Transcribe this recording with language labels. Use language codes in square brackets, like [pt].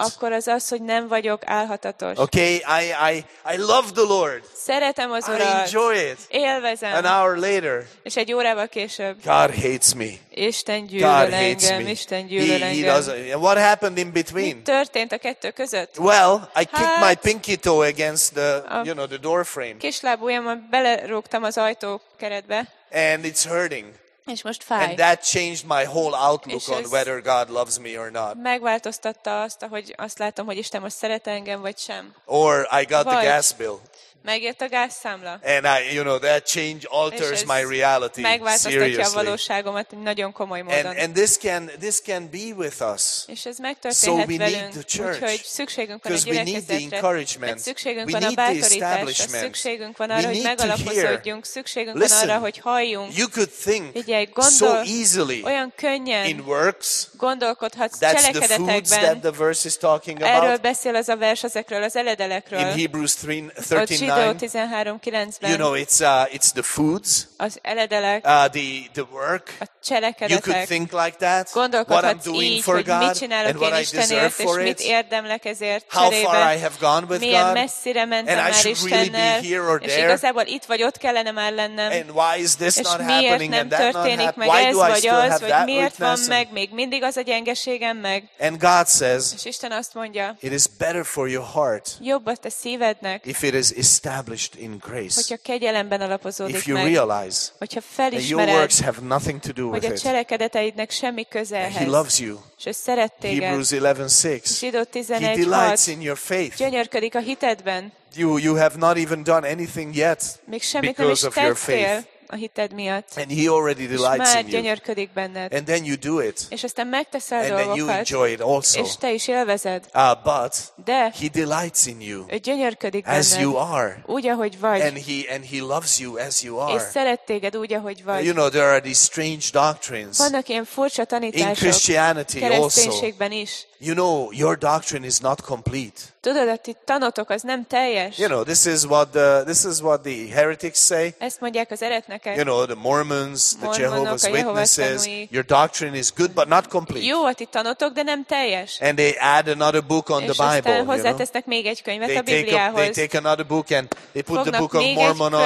[hu] Akkor az az, hogy nem vagyok álhatatos. [en] Okay, I love the Lord. [hu] Szeretem az Urat. [en] I enjoy it. [hu] Élvezem. [en] An hour later. [hu] És egy órával később. [en] God hates me. [hu] Isten gyűlöl engem. Isten gyűlöl engem. [en] And what happened in between? [hu] Mi történt a kettő között? [en] Well, I kicked my pinky toe against the, you know, the door frame. [hu] Kislábujjammal belerúgtam az ajtó keretbe. [en] And it's hurting. [hu] És most fáj. [en] And that changed my whole outlook on whether God loves me or not. [hu] Megváltoztatta azt, hogy azt látom, hogy Isten most szeret engem vagy sem. [en] Or I got the gas bill. [hu] Megjött a gázszámla. [en] And I, you know, that change alters my reality. [hu] Megváltoztatja a valóságomat nagyon komoly módon. [en] And this can be with us. [hu] És ez megtörténhet velünk. Úgyhogy szükségünk van a gyülekezetre. [en] Encouragement. [hu] Szükségünk van a bátorításra. Szükségünk van arra, hogy megalapozódjunk. Szükségünk van arra, hogy halljunk. [en] You could think so easily. [hu] Olyan könnyen. [en] In works. [hu] Gondolkodhatsz cselekedetekben. [en] That's the foods that the verse is talking about. [hu] Erről beszél ez a vers ezekről az eledelekről. [en] In Hebrews 13:13. You know, it's the foods, [hu] az eledelek, [en] the work. [hu] A cselekedetek. [en] You could think like that. What I'm doing így, for God and what I deserve for it. How far I have gone with God. [hu] Milyen messzire mentem [en] and [hu] már [en] I should [hu] Istennel, [en] really be here or there. [hu] És igazából itt vagy ott kellene már lennem. [en] And why is this not happening and that not happening? Why do I still have that weakness? [hu] Meg még mindig az a gyengeségem meg. [en] And God says, [hu] és Isten azt mondja, [en] it is better for your heart if it is established in grace. [hu] Hogyha kegyelemben alapozódik [en] if you [hu] meg, [en] realize [hu] hogyha felismered, [en] that your works have nothing to do with [hu] hogy a cselekedeteidnek semmi köze ehhez. [en] He loves you. [hu] És ő szeret téged. [en] Hebrews 11:6. [hu] Zsidó 11:6. [en] He delights in your faith. [hu] Gyönyörködik a hitedben. [en] You have not even done anything yet [hu] még semmit nem is tettél a hited miatt. [en] And he already delights in you. [hu] És már gyönyörködik benned. [en] And then you do it. [hu] És aztán megteszel [en] and [hu] dolgokat. [en] You enjoy it also. [hu] És te is élvezed. [en] But [hu] de [en] he delights in you. [hu] Ő gyönyörködik benned. [en] As you are. [hu] Úgy, ahogy vagy. [en] And he loves you as you are. [hu] És szeret téged úgy, ahogy vagy. [en] You know, there are these strange doctrines. [hu] Vannak ilyen furcsa tanítások. [en] In Christianity also. [hu] Kereszténységben is. [en] You know, your doctrine is not complete. [hu] Tudod, a ti tanotok az nem teljes. [en] You know, this is what the heretics say. [hu] Ezt mondják az eretnekek. [en] You know, the Mormons, the Jehovah's Witnesses. [hu] Tanúi. [en] Your doctrine is good, but not complete. [hu] Jó, a ti tanotok, de nem teljes. [en] And they add another book on [hu] és [en] the Bible. [hu] És aztán hozzátesznek még egy könyvet [en] they [hu] a Bibliához. [en] They take another book and they put the book of Mormon on it.